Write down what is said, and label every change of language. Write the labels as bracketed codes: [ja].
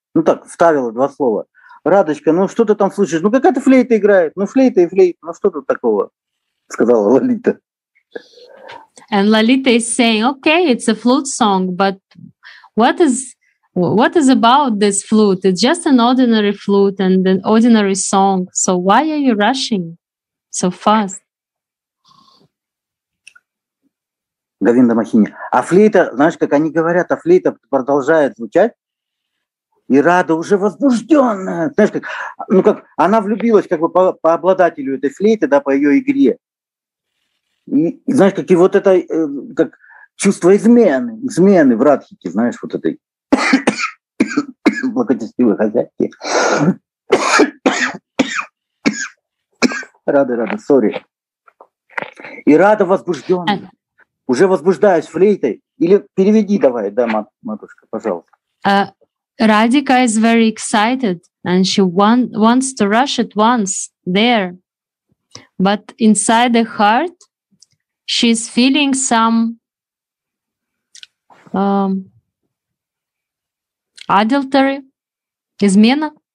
[ru] ну так, вставила два слова. Радочка, ну что ты там слышишь? Ну какая-то флейта играет. Ну флейта и флейта. Ну что тут такого? Сказала Лолита. And Lolita is saying, okay, it's a flute song, but what is about this flute? It's just an ordinary flute and an ordinary song. So why are you rushing so fast? Говинда Махини. А флейта, знаешь, как они говорят, а флейта продолжает звучать. И Рада уже возбужденная. Знаешь, как, ну как она влюбилась как бы по обладателю этой флейты, да, по ее игре. И знаешь, как и вот это как чувство измены, измены в Радхике, знаешь, вот этой благочестивой хозяйки. Рада, сори. И Рада возбужденная. Уже возбуждаюсь флейтой. Или переведи давай, да, матушка, пожалуйста. [en] Radhika is very excited and she wants to rush at once there. But inside the heart, she's feeling some adultery, измена.